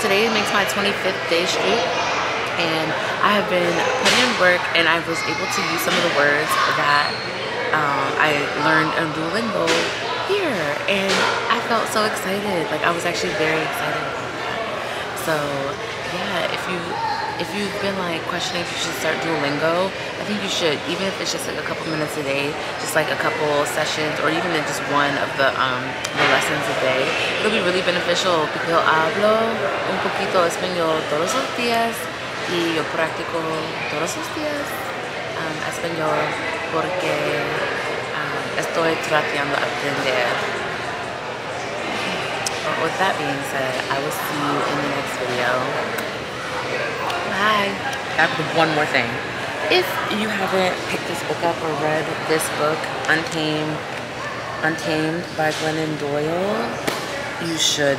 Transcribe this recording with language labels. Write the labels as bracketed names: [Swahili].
[English] Today makes my 25th day straight, and I have been putting in work, and I was able to use some of the words that I learned on Duolingo here, and I felt so excited. Like, I was actually very excited about that. So yeah, if you've been like questioning if you should start Duolingo, I think you should, even if it's just like a couple minutes a day, just like a couple sessions, or even just one of the lessons a day. It'll be really beneficial because [Spanish] yo hablo un poquito español todos los días y yo practico todos los días español porque estoy tratando aprender. [English] But with that being said, I will see you in the next video. Hi. That's one more thing. If you haven't picked this book up or read this book, Untamed by Glennon Doyle, you should.